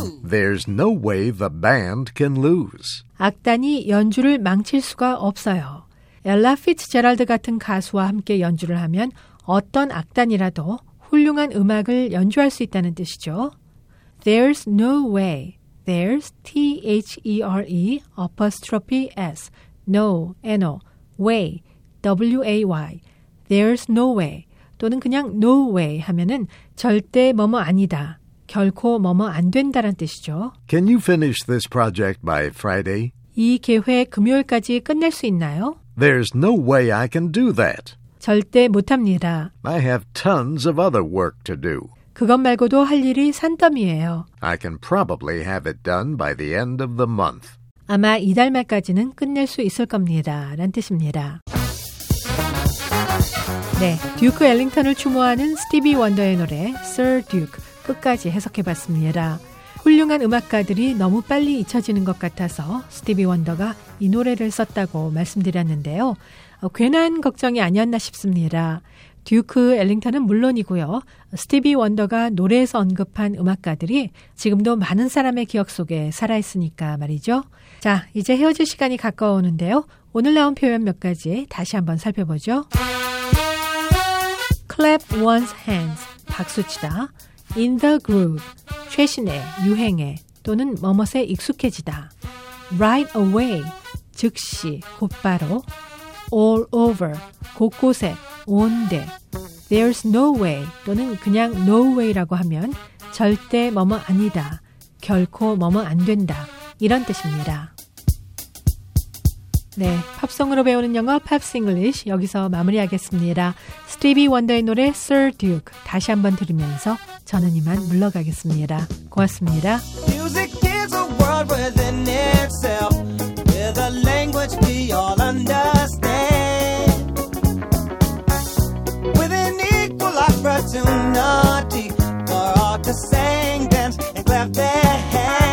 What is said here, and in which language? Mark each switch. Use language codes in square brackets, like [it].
[en] There's no way the band can lose. [ko] 악단이 연주를 망칠 수가 없어요. 엘라 피츠제럴드 같은 가수와 함께 연주를 하면 어떤 악단이라도 훌륭한 음악을 연주할 수 있다는 뜻이죠. [en] There's no way. There's T-H-E-R-E, apostrophe S. No, N-O, way, W-A-Y. There's no way. [ko] 또는 그냥 no way 하면은 절대 뭐뭐 아니다. 결코 뭐뭐 안 된다란 뜻이죠. [en] Can you finish this project by Friday? [ko] 이 계획 금요일까지 끝낼 수 있나요? [en] There's no way I can do that. [ko] 절대 못합니다. [en] I have tons of other work to do. [ko] 그것 말고도 할 일이 산더미예요. [en] I can probably have it done by the end of the month. [ko] 아마 이달 말까지는 끝낼 수 있을 겁니다. 라는 뜻입니다. 네, 듀크 엘링턴을 추모하는 스티비 원더의 노래 Sir Duke 끝까지 해석해봤습니다. 훌륭한 음악가들이 너무 빨리 잊혀지는 것 같아서 스티비 원더가 이 노래를 썼다고 말씀드렸는데요. 괜한 걱정이 아니었나 싶습니다. 듀크 엘링턴은 물론이고요. 스티비 원더가 노래에서 언급한 음악가들이 지금도 많은 사람의 기억 속에 살아있으니까 말이죠. 자, 이제 헤어질 시간이 가까워오는데요. 오늘 나온 표현 몇 가지 다시 한번 살펴보죠. [en] Clap one's hands, 박수치다. In the groove, [ko] 최신의, 유행의, 또는 뭐뭇에 익숙해지다. [en] Right away, [ko] 즉시, 곧바로. [en] All over, [ko] 곳곳에, 온데. [en] There's no way, [ko] 또는 그냥 no way라고 하면 절대 뭐뭐 아니다, 결코 뭐뭐 안 된다, 이런 뜻입니다. 네, 팝송으로 배우는 영어 팝스 잉글리시 여기서 마무리하겠습니다. 스티비 원더의 노래 Sir Duke 다시 한번 들으면서 저는 이만 물러가겠습니다. 고맙습니다. [en] Music is a world within itself with a language we all understand with an equal opportunity for all to sing, dance and clap their hands.